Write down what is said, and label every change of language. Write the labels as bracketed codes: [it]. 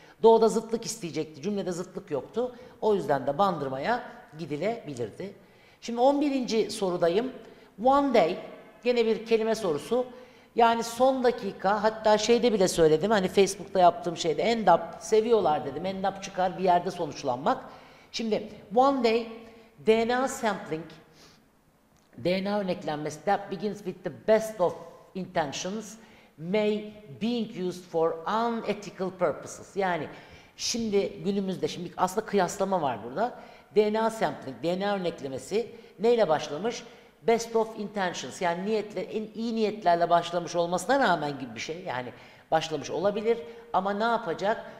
[tr] Doğuda zıtlık isteyecekti. Cümlede zıtlık yoktu. O yüzden de bandırmaya gidilebilirdi. Şimdi 11. sorudayım. One day, gene bir kelime sorusu. Yani son dakika, hatta şeyde bile söyledim. Hani Facebook'ta yaptığım şeyde end up seviyorlar dedim. End up çıkar bir yerde sonuçlanmak. [en] Şimdi one day DNA sampling, DNA örneklenmesi that begins with the best of intentions. May being used for unethical purposes. [tr] Yani şimdi günümüzde şimdi aslında kıyaslama var burada. DNA sampling, DNA örneklemesi neyle başlamış? Best of intentions. Yani niyetle en iyi niyetlerle başlamış olmasına rağmen gibi bir şey. Yani başlamış olabilir ama ne yapacak?